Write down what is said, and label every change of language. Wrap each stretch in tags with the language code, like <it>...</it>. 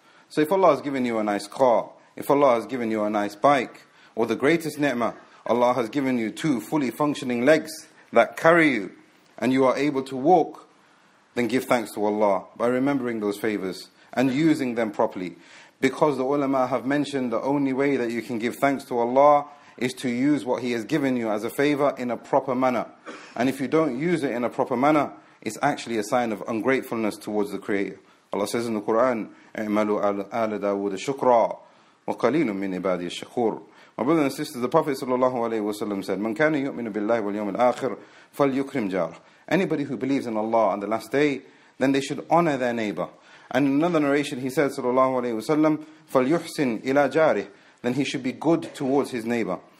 <en>So if Allah has given you a nice car, if Allah has given you a nice bike, or the greatest ni'mah, Allah has given you two fully functioning legs that carry you, and you are able to walk, then give thanks to Allah by remembering those favors and using them properly. Because the ulama have mentioned the only way that you can give thanks to Allah is to use what He has given you as a favor in a proper manner. And if you don't use it in a proper manner, it's actually a sign of ungratefulness towards the Creator. Allah says in the Quran,</en> <ar>اعملوا آل داود شكرا وقليل من عبادي الشكور.</ar> <en>My brothers and sisters, the Prophet sallallahu alaihi wasallam said,</en> <ar>من كان يؤمن بالله واليوم الآخر فليكرم جاره.</ar> <en>Anybody who believes in Allah on the last day, then they should honor their neighbor. And in another narration, he says, sallallahu alayhi wa sallam,</en> <ar>فَلْيُحْسِنْ إِلَىٰ جَارِهِ,</ar> <en>then he should be good towards his neighbor.</en>